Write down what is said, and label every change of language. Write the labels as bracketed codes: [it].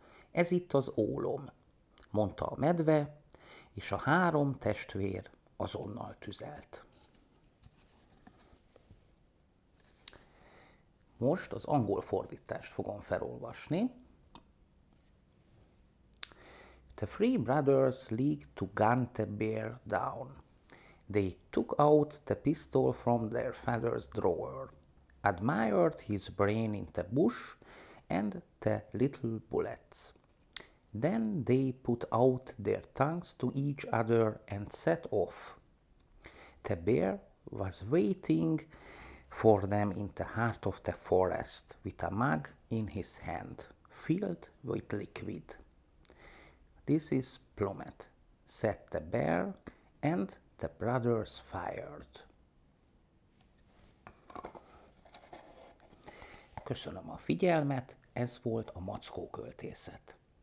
[hu] Ez itt az ólom, mondta a medve, és a három testvér azonnal tüzelt. Most az angol fordítást fogom felolvasni. [en] The three brothers leaped to gun the bear down. They took out the pistol from their father's drawer, admired his brain in the bush and the little bullets. Then they put out their tongues to each other and set off. The bear was waiting for them in the heart of the forest, with a mug in his hand, filled with liquid. This is plummet, said the bear, and the brothers fired. [hu] Köszönöm a figyelmet, ez volt a mackó költészet.